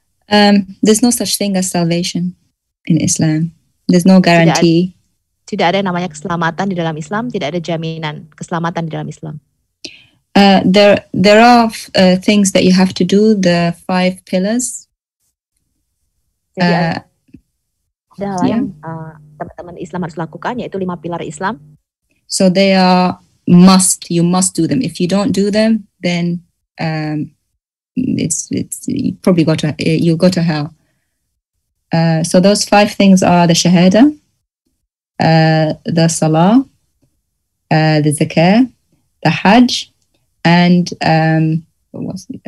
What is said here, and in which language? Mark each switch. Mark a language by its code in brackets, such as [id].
[en] There's no such thing as salvation in Islam. There's no guarantee. [id] Tidak ada yang namanya keselamatan di dalam Islam. Tidak ada jaminan keselamatan di dalam Islam. [en] There are things that you have to do, the five pillars. [id] Jadi ada yang teman-teman Islam harus lakukan, yaitu lima pilar Islam. [en] So they are must, you must do them. If you don't do them, then it's you probably go to, you'll go to hell. So those five things are the shahada, the salah, the zakah, the hajj, and what was it?